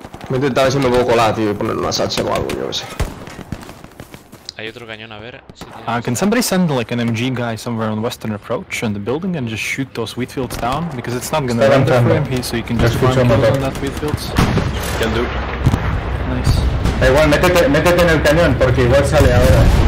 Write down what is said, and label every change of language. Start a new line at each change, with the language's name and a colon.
Spanish: Me intenta ver si me puedo colar, tío, y poner una satchel o algo, yo que sé. Hay otro cañón, a ver...
English: Can somebody send like an MG guy somewhere on western approach on the building and just shoot those wheat fields down? Because it's not gonna run there for MP, so you can just run kill on that wheat fields. Can do. Nice.
Spanish: Igual, métete en el cañón, porque igual sale ahora.